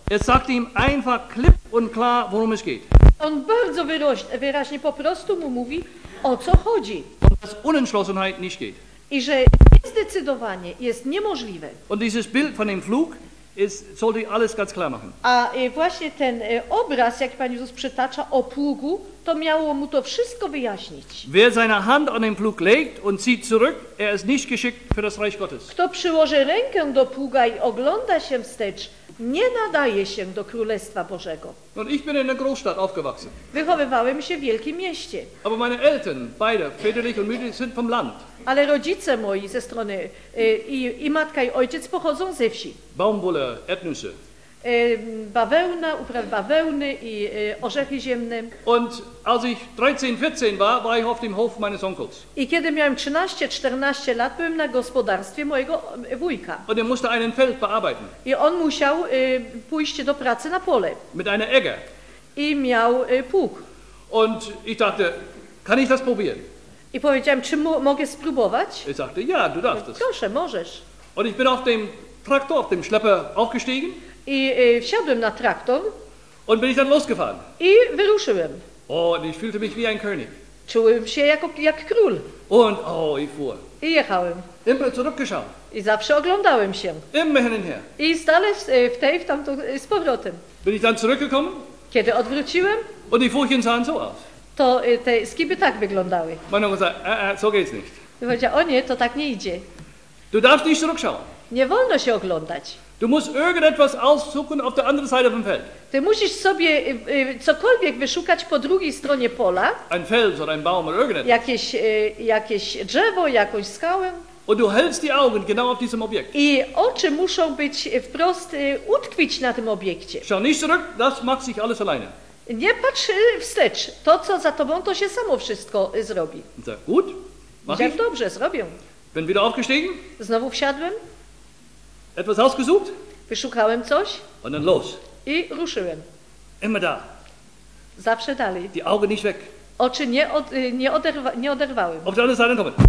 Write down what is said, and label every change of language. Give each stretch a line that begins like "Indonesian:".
German: Er sagte ihm einfach klipp und klar, worum es geht.
Polish: On bardzo wyraźnie po prostu mu mówi, o co chodzi.
German: Und dass Unentschlossenheit nicht geht.
Polish: I że niezdecydowanie jest niemożliwe.
German: Und dieses Bild von dem Flug ist, sollte alles ganz klar machen.
Polish: A właśnie ten obraz, jaki Pan Jezus przytacza o plugu, to miało mu to wszystko wyjaśnić.
German: Wer seine Hand an den Pflug legt und zieht zurück, er ist nicht geschickt für das Reich Gottes.
Polish: Kto przyłoży rękę do pługa i ogląda się wstecz, nie nadaje się do Królestwa Bożego.
German: Und ich bin in der Großstadt aufgewachsen.
Polish: Wychowywałem się w wielkim mieście.
German: Aber meine Eltern, beide, väterlich und mütterlich, sind vom Land.
Polish: Ale rodzice moi ze strony i matka i ojciec pochodzą ze wsi.
German: Baumwolle, Erdnüsse.
Polish: Bawełna, uprawy bawełny i orzechy ziemne.
German: Und als ich 13-14 war, war ich auf dem Hof meines Onkels.
Polish: I kiedy miałem 13-14 lat, byłem na gospodarstwie mojego wujka.
German: Und er musste einen Feld bearbeiten.
Polish: I on musiał pójść do pracy na pole.
German: Mit einer Egge.
Polish: I miał pług.
German: Und ich dachte, kann ich das probieren?
Polish: I powiedziałem, czy mogę spróbować?
German: Er sagte, ja, du darfst es.
Polish: Proszę, możesz.
German: Und ich bin auf dem Traktor, auf dem Schlepper aufgestiegen.
Polish: I wsiadłem na traktor.
German: Und bin ich dann losgefahren.
Polish: I wyruszyłem.
German: Oh, und ich fühlte mich wie ein König.
Polish: Czułem się jak król.
German: Und oh, ich fuhr.
Polish: I jechałem.
German: Immer zurückgeschaut.
Polish: I zawsze oglądałem się.
German: Immer hin und her.
Polish: I stale w tej, w tamtą, z powrotem.
German: Bin ich dann zurückgekommen.
Polish: Kiedy odwróciłem.
German: Und die Furchen sahen so aus.
Polish: To te skiby tak wyglądały.
German: Meine Mutter sagte, so geht's nicht.
Polish: I powiedziała, o nie, to tak nie idzie.
German: Du darfst nicht zurückschauen.
Polish: Nie wolno się oglądać.
German: Du musst irgendetwas aussuchen auf der anderen Seite vom Feld.
Polish: Ty musisz sobie cokolwiek wyszukać po drugiej stronie pola.
German: Ein Fels oder ein Baum oder irgendetwas.
Polish: Jakieś drzewo, jakąś skałę.
German: Und du hältst die Augen genau auf diesem Objekt.
Polish: I oczy muszą być wprost utkwić na tym obiekcie.
German: Schau nicht zurück, das macht sich alles alleine.
Polish: Nie patrz wstecz. To, co za tobą, to się samo wszystko zrobi.
German: Sag, gut, mach ich.
Polish: Ja, dobrze, zrobię.
German: Bin wieder aufgestiegen.
Polish: Znowu wsiadłem.
German: Etwas ausgesucht?
Polish: Wyszukałem coś.
German: Und dann los.
Polish: I ruszyłem.
German: Immer da.
Polish: Zawsze dalej.
German: Die Augen nicht weg.
Polish: Oczy nie oderwałem.
German: Auf der anderen Seite kommen.